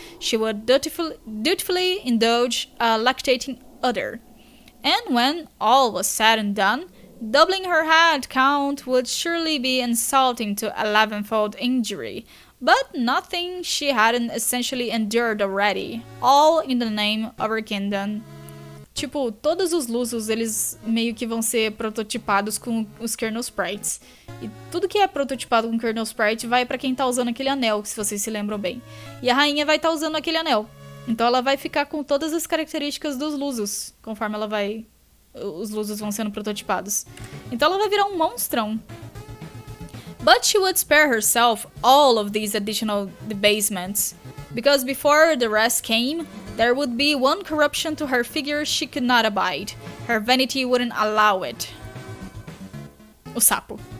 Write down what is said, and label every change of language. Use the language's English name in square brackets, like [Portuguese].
[English] She would dutifully indulge a lactating udder. And when all was said and done, doubling her head count would surely be insulting to 11-fold injury, but nothing she hadn't essentially endured already, all in the name of her kingdom. [Portuguese] Tipo, todos os Lusos, eles meio que vão ser prototipados com os Kernel Sprites. E tudo que é prototipado com Kernel Sprite vai pra quem tá usando aquele anel, se vocês se lembram bem. E a rainha vai tá usando aquele anel. Então ela vai ficar com todas as características dos Lusos, conforme ela vai... Os Lusos vão sendo prototipados. Então ela vai virar um monstrão. [English] But she would spare herself all of these additional debasements. Because before the rest came, there would be one corruption to her figure she could not abide. Her vanity wouldn't allow it. [Portuguese] O sapo.